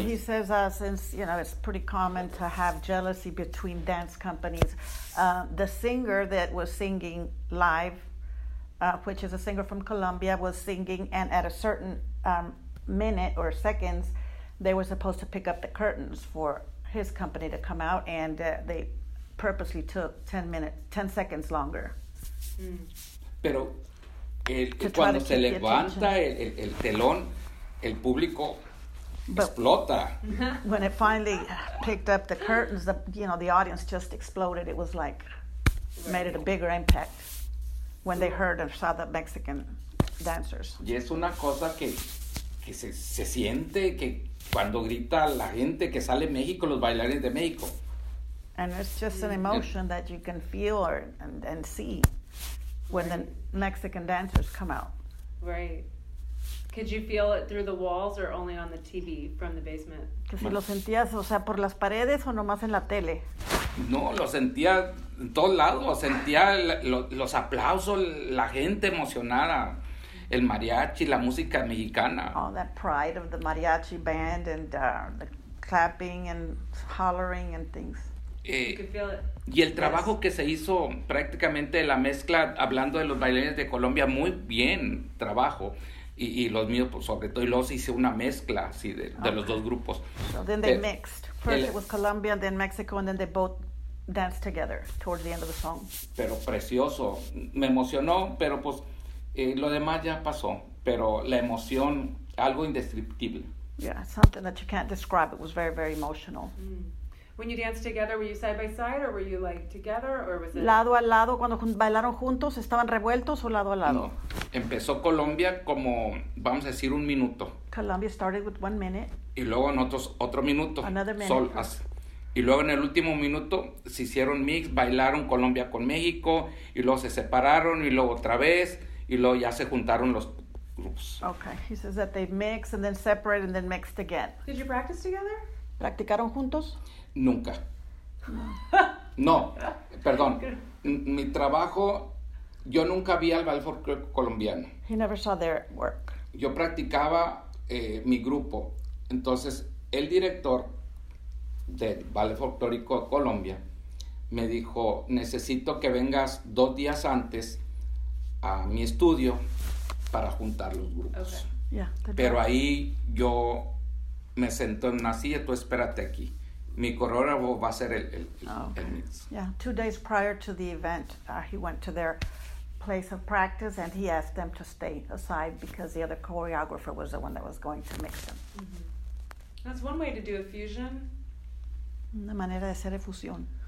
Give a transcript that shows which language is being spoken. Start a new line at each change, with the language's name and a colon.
English: And he says, since, you know, it's pretty common to have jealousy between dance companies, the singer that was singing live, which is a singer from Colombia, was singing, and at a certain minute or seconds, they were supposed to pick up the curtains for his company to come out, and they purposely took 10 seconds longer. Mm.
Spanish: Pero cuando se levanta el telón, el público explota.
English: When it finally picked up the curtains, the audience just exploded. It was like, made it a bigger impact. When they heard and saw the Mexican dancers.
Spanish: Y es una cosa que se siente que cuando grita la gente que sale México, los bailarines de México.
English: And it's just an emotion that you can feel and see when the Mexican dancers come out. Right. Could you feel it through the walls or only on the TV from the basement?
Spanish: Que si lo sentías, o sea, por las paredes o nomás en la tele. No, lo sentía en todos lados, sentía los aplausos, la gente emocionada, el mariachi, la música mexicana.
English: Oh, that pride of the mariachi band and the clapping and hollering and things.
Spanish: Y el trabajo que se hizo prácticamente la mezcla, hablando de los bailarines de Colombia, muy bien trabajo. Y los míos, pues, sobre todo, y los hice una mezcla así de los dos grupos.
English: So then they mixed. First it was Colombia, then Mexico, and then they both danced together towards the end of the song.
Spanish: Pero precioso. Me emocionó, pero pues lo demás ya pasó. Pero la emoción, algo indescriptible.
English: Yeah, something that you can't describe. It was very, very emotional. Mm. When you danced together, were you side by side or were you like together or was it?
Spanish: Lado a lado. Cuando bailaron juntos, estaban revueltos o lado a lado. No. Empezó Colombia como, vamos a decir, un minuto.
English: Colombia started with 1 minute.
Spanish: Y luego en otro minuto.
English: Another minute.
Spanish: Solas. Y luego en el último minuto se hicieron mix, bailaron Colombia con México y luego se separaron y luego otra vez y luego ya se juntaron los.
English: Okay, he says that they mixed and then separated and then mixed again. Did you practice together?
Spanish: ¿Practicaron juntos? Nunca. No, perdón. Mi trabajo, yo nunca vi al ballet folclórico colombiano.
English: He never saw their work.
Spanish: Yo practicaba mi grupo. Entonces, el director del ballet folclórico de Colombia me dijo, necesito que vengas 2 días antes a mi estudio para juntar los grupos.
English: Okay. Yeah,
Spanish: pero ahí yo me sento en una silla, tú espérate aquí. Mi coreógrafo va a ser el mix.
English: Yeah, 2 days prior to the event, he went to their place of practice and he asked them to stay aside because the other choreographer was the one that was going to mix them. Mm-hmm. That's one way to do a fusion.
Spanish: Una manera de hacer fusión.